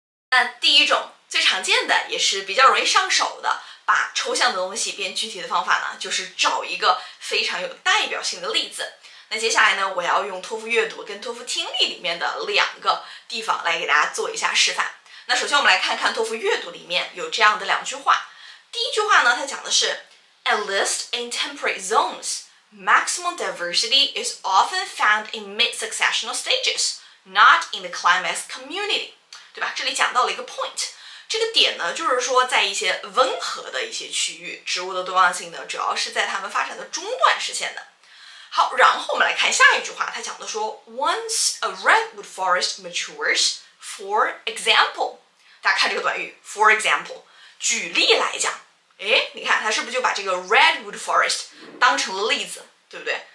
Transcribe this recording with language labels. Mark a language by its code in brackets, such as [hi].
[zh] 那第一种最常见的也是比较容易上手的把抽象的东西变具体的方法呢，就是找一个非常有代表性的例子。那接下来呢我要用托福阅读跟托福听力里面的两个地方来给大家做一下示范。那首先我们来看看托福阅读里面有这样的两句话。第一句话呢它讲的是 [en] At least in temperate zones, maximum diversity is often found in mid-successional stages, not in the climax community. [zh] 对吧，这里讲到了一个 point。这个点呢就是说在一些温和的一些区域，植物的多样性呢主要是在它们发展的中段实现的。好，然后我们来看下一句话，它讲的说 [en] Once a redwood forest matures, for example, [zh] 大家看这个短语 for example, 举例来讲，哎，你看它是不是就把这个 redwood forest 当成了例子，对不对？